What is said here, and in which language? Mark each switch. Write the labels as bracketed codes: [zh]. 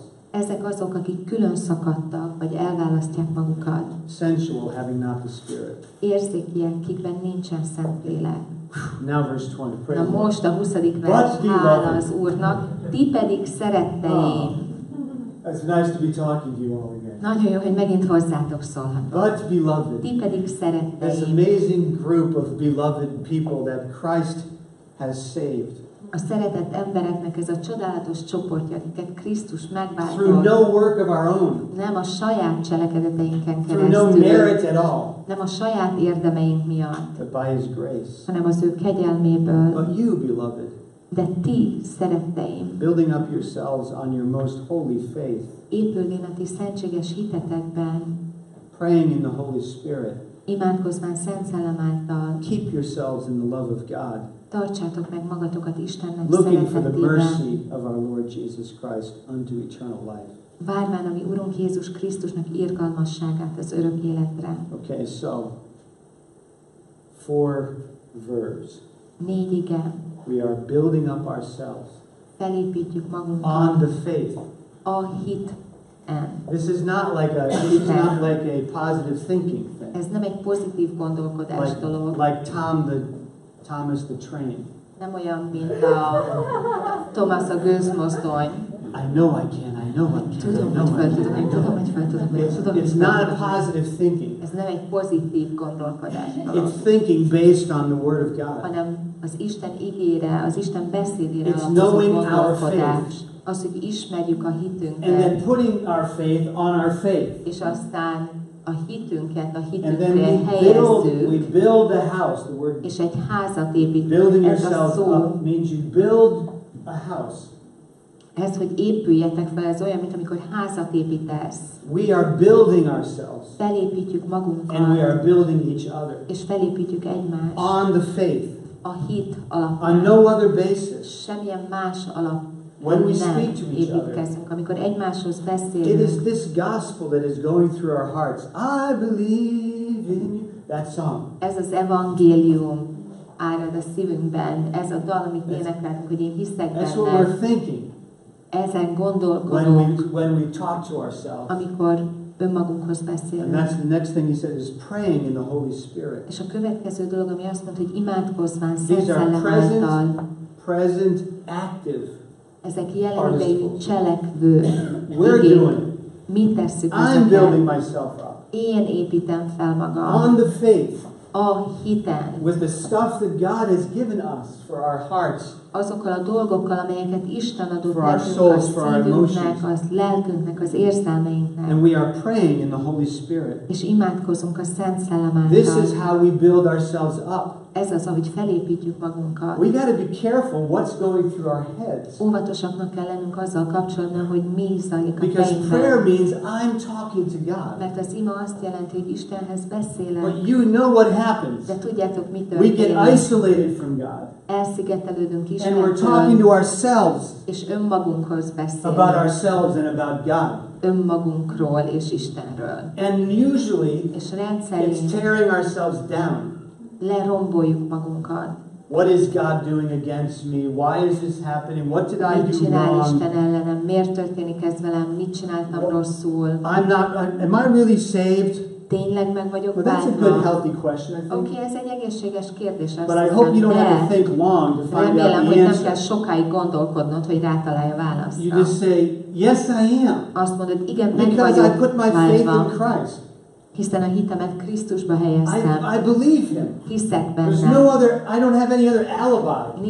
[hu] Ezek azok, akik külön szakadtak, vagy elválasztják magukat. [en] Sensual, having not the spirit. [hu] Érzik ilyen, kikben nincsen szent lélek. [en] Now verse 20. [hu] Na most a 20. vers, hál az Úrnak, ti pedig szeretteim. [en] It's nice to be talking to you all again. [hu] Nagyon jó, hogy megint hozzátok szólhatok. [en] But beloved. [hu] Ti pedig szeretteim. [en] This amazing group of beloved people that Christ has saved. [hu] A szeretett embereknek ez a csodálatos csoportja, akiket Krisztus megváltott. [en] Through no work of our own. [hu] Nem a saját cselekedeteinken keresztül. [en] Through no merit at all. [hu] Nem a saját érdemeink miatt. [en] But by his grace. [hu] Hanem az ő kegyelméből. [en] But you, beloved. [hu] De ti, szeretteim. [en] Building up yourselves on your most holy faith. [hu] Épülnén a ti szentséges hitetekben. [en] Praying in the Holy Spirit. [hu] Imádkozván Szent Szellem által. [en] Keep yourselves in the love of God. [hu] Tartsátok meg magatokat Istennek szeretetében. [en] Looking for the mercy of our Lord Jesus Christ unto eternal life. [hu] Várván a mi Urunk Jézus Krisztusnak irgalmasságát az örök életre. [en] Okay, so four verbs. [hu] Négy ige. [en] We are building up ourselves. [hu] Felépítjük magunkat. [en] On the faith. [hu] A hit. [en] This is not like a. It's not like a positive thinking thing. [hu] Ez nem egy pozitív gondolkodás [en] like, [hu] dolog. [en] Like Thomas the Train. [hu] Nem olyan, mint a Thomas a gőzmozdony. [en] I know I can. I know I can. [hu] Tudom, [en] I know [hu] hogy fel tudom. [en] I know. [hu] Tudom, hogy fel tudom. [en] It's not a positive thinking. [hu] Ez nem egy pozitív gondolkodás. [en] It's thinking based on the Word of God. [hu] Hanem az Isten igére, az Isten beszédére. [en] It's knowing our faith. [hu] Az, hogy ismerjük a hitünket. [en] And then putting our faith on our faith. [hu] És aztán a hitünket a hitünkre helyezzük. [en] We build the house. The word. [hu] És egy házat építünk. [en] Building yourself up means you build a house. [hu] Ez, hogy épüljetek fel, ez olyan, mint amikor házat építesz. [en] We are building ourselves. [hu] Felépítjük magunkat. [en] And we are building each other. [hu] És felépítjük egymást. [en] On the faith. [hu] A hit alapján. [en] On no other basis. [hu] Semmilyen más alapján. [en] When we speak to each other, [hu] amikor egymáshoz beszélünk, [en] it is this gospel that is going through our hearts. I believe in you. That song. [hu] Ez az evangélium árad a szívünkben. Ez a dal, amit énekelünk, hogy én hiszek benne. [en] That's what we're thinking. [hu] Ezen gondolkodunk. [en] When we talk to ourselves. [hu] Amikor önmagunkhoz beszélünk. [en] And that's the next thing he said is praying in the Holy Spirit. [hu] És a következő dolog, ami azt mondta, hogy imádkozván Szent Szellem által. [en] Present, active. [hu] Ezek jelenlévő cselekvő. [en] We're [hu] igény. [en] Doing. [hu] Mi tesszük ezeket? [en] I'm building myself up. [hu] Én építem fel magam. [en] On the faith. [hu] A hiten. [en] With the stuff that God has given us for our hearts. [hu] Azokkal a dolgokkal, amelyeket Isten adott nekünk, [en] souls, [hu] a szívünknek, az lelkünknek, az érzelmeinknek. [en] And we are praying in the Holy Spirit. [hu] És imádkozunk a Szent Szellem által. [en] This is how we build ourselves up. [hu] Ez az, ahogy felépítjük magunkat. [en] We gotta be careful what's going through our heads. [hu] Óvatosaknak kell lennünk azzal kapcsolatban, hogy mi zajlik a fejünkben. [en] Because prayer means I'm talking to God. [hu] Mert az ima azt jelenti, hogy Istenhez beszélek. [en] But you know what happens. [hu] De tudjátok, mi történik. [en] We get isolated from God. [hu] Elszigetelődünk Istentől. [en] And we're talking to ourselves. [hu] És önmagunkhoz beszélünk. [en] About ourselves and about God. [hu] Önmagunkról és Istenről. [en] And usually, [hu] és rendszerint, [en] it's tearing ourselves down. [hu] Leromboljuk magunkat. [en] What is God doing against me? Why is this happening? What did I do wrong? [hu] Mit csinál Isten ellenem? Miért történik ez velem? Mit csináltam rosszul? [en] Am I really saved? [hu] Tényleg meg vagyok bánva? [en] That's a good healthy question, I think. [hu] Okay, ez egy egészséges kérdés. [en] But I hope you don't have to think long to find out the answer. [hu] Remélem, hogy nem kell sokáig gondolkodnod, hogy rátalálja választ. [en] You just say, yes, I am. [hu] Azt mondod, igen, meg vagyok. [en] Because I put my faith in Christ. [hu] Hiszen a hitemet Krisztusba helyeztem. [en] I believe him. [hu] Hiszek benne. [en] There's no other, I don't have any other alibi.